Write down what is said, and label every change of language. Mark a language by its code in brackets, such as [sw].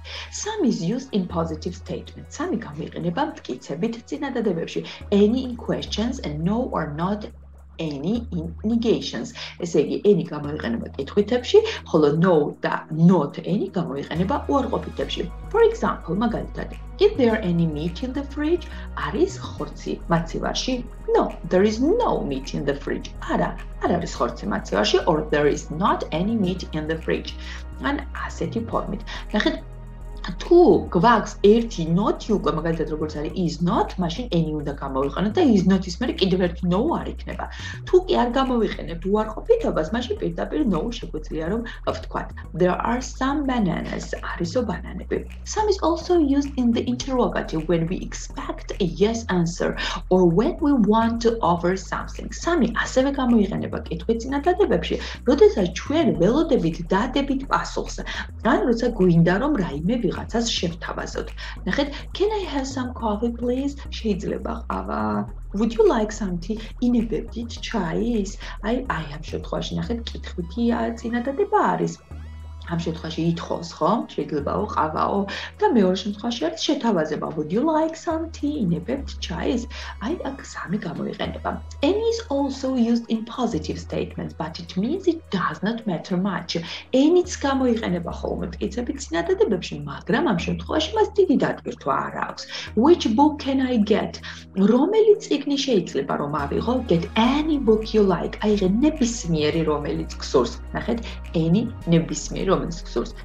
[en] Some is used in positive statements. Some can be in a bump, it's a bit in a debepship. Any in questions and no or not. Any in negations. [ka] ესე იგი, any გამოიყენება კითხვითებში, ხოლო no და not any გამოიყენება უარყოფითებში. [en] For example, მაგალითად, is there any meat in the fridge? [ka] Არის ხორცი მაცივარში? [en] No, there is no meat in the fridge. [ka] Ara, არ არის ხორცი მაცივარში, [en] or there is not any meat in the fridge. [ka] And ასეთი ფორმით. ნახეთ, თუ გვაქვს ერთი not უკვე, მაგალითად როგორც არის is not, მაშინ any უნდა გამოვიყენოთ და is not-ის მერე კიდევ ერთი no არ იქნება. თუ კი არ გამოვიყენებთ უარყოფითობას, მაშინ პირდაპირ no შეგვიძლია რომ ვთქვათ. [en] There are some bananas. [ka] Არისო ბანანები. [en] Some is also used in the interrogative when we expect a yes answer or when we want to offer something. [ka] Some ასევე გამოიყენება კითხვის წინადადებებში, როდესაც ჩვენ ველოდებით დადებით პასუხს, ან როცა გვინდა რომ რაიმე ვიღაცას შევთავაზოთ. [en] ნახეთ, can I have some coffee please? [ka] შეიძლება ყავა. [en] Would you like some tea? [ka] ინებებით ჩაის? აი ამ შემთხვევაში ნახეთ, კითხვითი წინადადება არის. ამ შემთხვევაში ითხოვს, ხო? შეიძლებაო, ყავაო. და მეორე შემთხვევაში არის შეთავაზება. [en] Would you like some tea? [ka] ინებებთ ჩაის? აი აქ სამი გამოიყენება. [en] Any is also used in positive statements, but it means it does not matter much. [ka] Any-ც გამოიყენება ხოლმე მტკიცებით წინადადებებში, მაგრამ ამ შემთხვევაში მას დიდი დატვირთვა არ აქვს. [en] Which book can I get? [ka] რომელი წიგნი შეიძლება რომ ავიღო? [en] Get any book you like. [ka] აი ეს ნებისმიერი რომელიც გსურს. ნახეთ, any ნებისმიერი რომელიც გსურს.